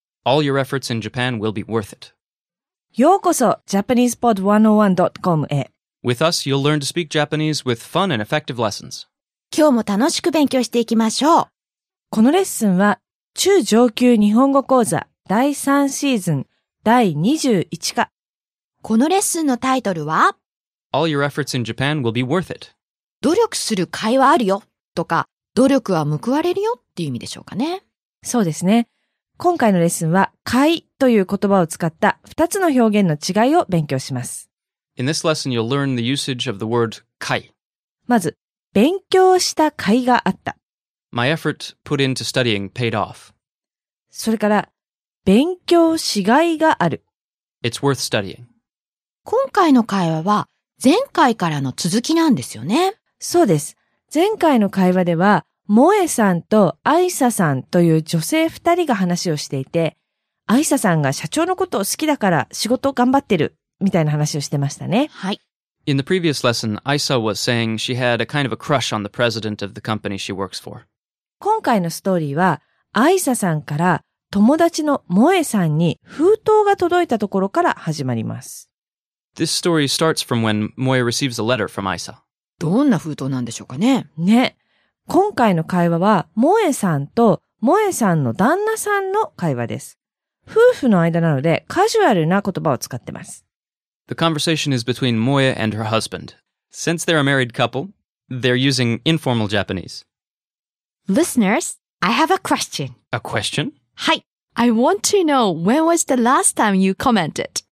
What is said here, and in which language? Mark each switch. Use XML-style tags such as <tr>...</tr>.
<en>All your efforts in Japan will be worth it.</en> <ja>ようこそ JapanesePod101.com へ。</ja> <en>With us, you'll learn to speak Japanese with fun and effective lessons.</en> <ja>今日も楽しく勉強していきましょう。このレッスンは中上級日本語講座第3シーズン第21課。このレッスンのタイトルは</ja> <en>All your efforts in Japan will be worth it.</en> <ja>努力する甲斐はあるよとか努力は報われるよっていう意味でしょうかね。そうですね。今回のレッスンは、甲斐という言葉を使った2つの表現の違いを勉強します。</ja> <en>In this lesson, you'll learn the usage of the word 甲斐。</en> <ja>まず、勉強した甲斐があった。</ja> <en>My effort put into studying paid off.</en> <ja>それから、勉強しがいがある。</ja> <en>It's worth studying.</en> <ja>今回の会話は、前回からの続きなんですよね。そうです。前回の会話では、萌えさんとアイサさんという女性二人が話をしていて、アイサさんが社長のことを好きだから仕事を頑張ってるみたいな話をしてましたね。はい。</ja> <en>In the previous lesson, Aisa was saying she had a kind of a crush on the president of the company she works for.</en> <ja>今回のストーリーは、アイサさんから友達の萌えさんに封筒が届いたところから始まります。</ja> <en>This story starts from when Moe receives a letter from Aisa.</en> <ja>どんな封筒なんでしょうかね。ね。今回の会話は、萌えさんと萌えさんの旦那さんの会話です。夫婦の間なので、カジュアルな言葉を使ってます。</ja> <en>The conversation is between Moe and her husband. Since they're a married couple, they're using informal Japanese. Listeners, I have a question. A question?</en> <ja>はい。</ja> <en>I want to know when was the last time you commented.</en>